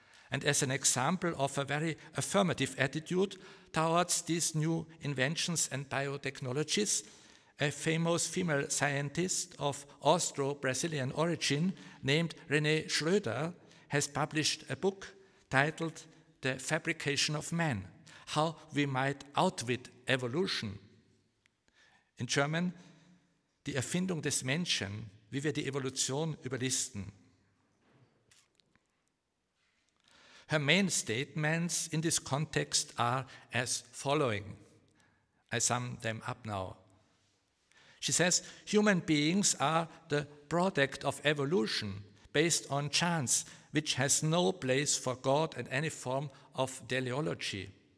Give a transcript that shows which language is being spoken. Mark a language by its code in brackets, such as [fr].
[en] And as an example of a very affirmative attitude towards these new inventions and biotechnologies, a famous female scientist of Austro-Brazilian origin named René Schröder has published a book titled The Fabrication of Man, How We Might Outwit Evolution. In German, [de] Die Erfindung des Menschen, wie wir die Evolution überlisten. [en] Her main statements in this context are as following. I sum them up now. She says, human beings are the product of evolution based on chance, which has no place for God and any form of teleology.